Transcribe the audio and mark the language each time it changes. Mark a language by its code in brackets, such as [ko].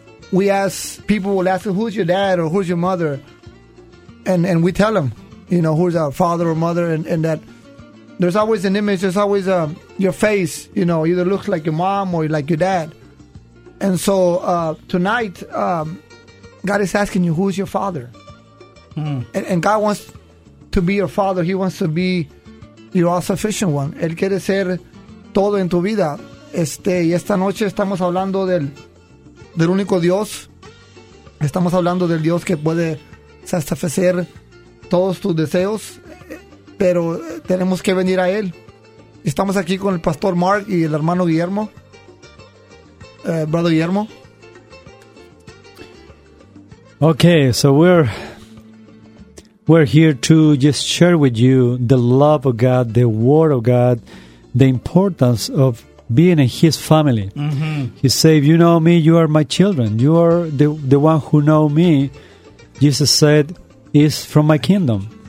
[en] People will ask who's your dad or who's your mother, and we tell them, you know, who's our father or mother, and that there's always an image, there's always your face, you know, either looks like your mom or like your dad. And so tonight, God is asking you, who's your father? And God wants to be your father. He wants to be your all-sufficient one. [es] Él quiere ser todo en tu vida. Y esta noche estamos hablando del único Dios. Estamos hablando del Dios que puede satisfacer todos tus deseos, pero tenemos que venir a Él. Estamos aquí con el Pastor Mark y el hermano Guillermo. [en] Brother Guillermo. Okay, so we're here to just share with you the love of God, the Word of God, the importance of being in His family. Mm-hmm. He said, you know me, you are my children. You are the one who know me, Jesus said, is from my kingdom.